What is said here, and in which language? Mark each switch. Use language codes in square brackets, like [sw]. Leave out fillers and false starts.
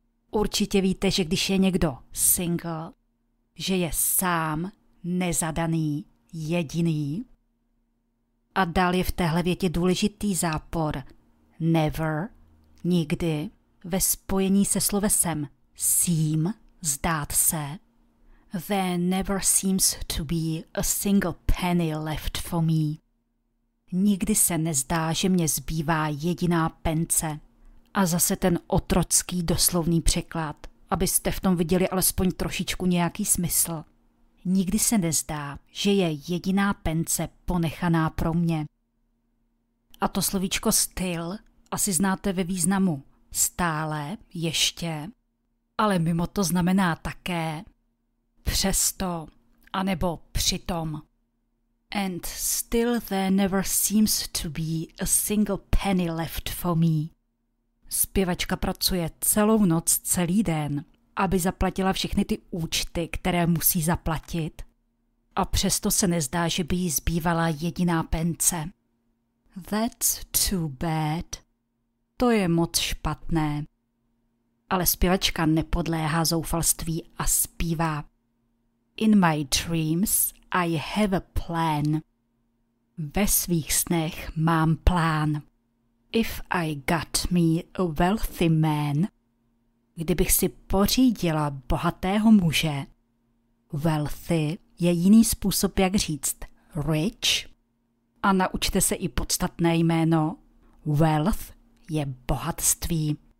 [cs] Určitě víte, že když je někdo single, že je sám, nezadaný, jediný. A dál je v téhle větě důležitý zápor. Never, nikdy, ve spojení se slovesem seem, zdát se. [en] There never seems to be a single penny left for me. [cs] Nikdy se nezdá, že mě zbývá jediná pence. A zase ten otrocký doslovný překlad, abyste v tom viděli alespoň trošičku nějaký smysl. Nikdy se nezdá, že je jediná pence ponechaná pro mě. A to slovíčko still asi znáte ve významu stále, ještě, ale mimo to znamená také přesto, anebo přitom. [en] And still there never seems to be a single penny left for me. [cs] Zpěvačka pracuje celou noc, celý den, aby zaplatila všechny ty účty, které musí zaplatit. A přesto se nezdá, že by jí zbývala jediná pence. [en] That's too bad. [cs] To je moc špatné. Ale zpěvačka nepodléhá zoufalství a zpívá. [en] In my dreams I have a plan. [cs] Ve svých snech mám plán. [en] If I got me a wealthy man, [cs] kdybych si pořídila bohatého muže, wealthy je jiný způsob, jak říct rich, a naučte se i podstatné jméno, wealth je bohatství.